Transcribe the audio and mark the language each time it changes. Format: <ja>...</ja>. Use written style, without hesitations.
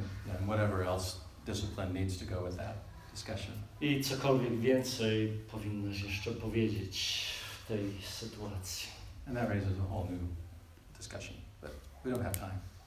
<en>And whatever else discipline needs to go with that discussion.</en> <pl>I cokolwiek więcej powinnaś jeszcze powiedzieć w tej sytuacji.</pl> <en>And that raises a whole new discussion, but we don't have time.</en>